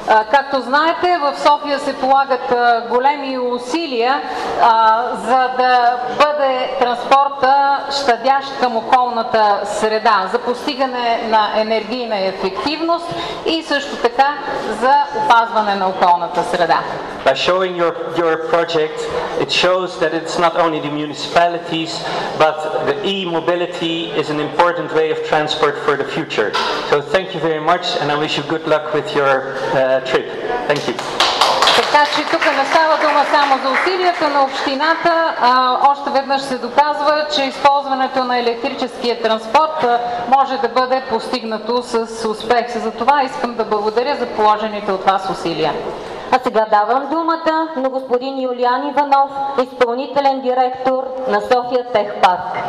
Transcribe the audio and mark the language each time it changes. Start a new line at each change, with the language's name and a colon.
Bulgarian: Както знаете, в София се полагат големи усилия за да бъде транспорта щадящ към околната среда, за постигане на енергийна ефективност и също така за опазване на околната среда.
English: By showing your project, it shows that it's not only the municipalities, but the e-mobility is an important way of transport for the future. So thank you very much, and I wish you good luck with your trip. Thank you.
Bulgarian: Така че тук не става дума само за усилията на общината, още веднъж се доказва, че използването на електрическия транспорт може да бъде постигнато с успех. Затова искам да благодаря за положените от вас усилия. А сега давам думата на господин Юлиан Иванов, изпълнителен директор на София Тех Парк.